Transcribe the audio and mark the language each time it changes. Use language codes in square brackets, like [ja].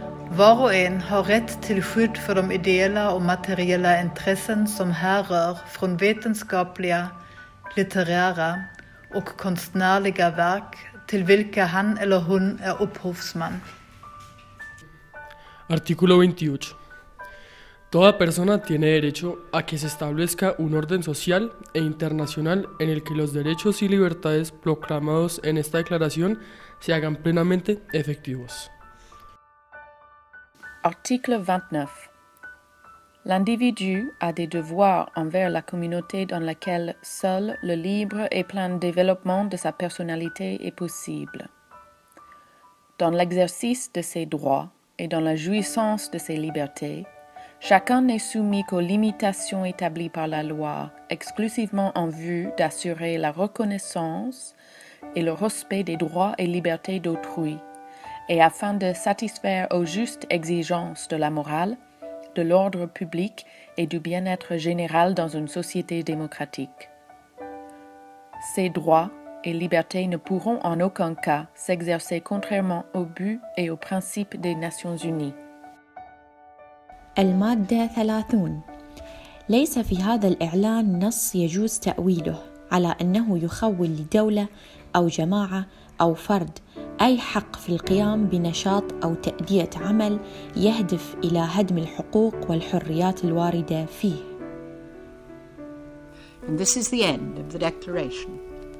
[no] Hver og en har rett til [sv] skydd for de ideella og materiella intressen som härrör från vetenskapliga, litterära och konstnärliga verk till vilka han eller hon är upphovsman. [es] Artículo 28. Toda persona tiene derecho a que se establezca un orden social e internacional en el que los derechos y libertades proclamados en esta declaración se hagan plenamente efectivos. [fr] Article 29. L'individu a des devoirs envers la communauté dans laquelle seul le libre et plein développement de sa personnalité est possible. Dans l'exercice de ses droits, et dans la jouissance de ses libertés, chacun n'est soumis qu'aux limitations établies par la loi, exclusivement en vue d'assurer la reconnaissance et le respect des droits et libertés d'autrui, et afin de satisfaire aux justes exigences de la morale, de l'ordre public et du bien-être général dans une société démocratique. Ces droits et libertés ne pourront en aucun cas s'exercer contrairement aux buts et aux principes des Nations Unies. [ar] المادة 30. ليس في هذا الإعلان نص يجوز تأويله، على أنه يخول لدولة أو جماعة أو فرد أي حق في القيام بنشاط أو تأدية عمل يهدف إلى هدم الحقوق والحريات الواردة فيه. [en] And this is the end of the declaration.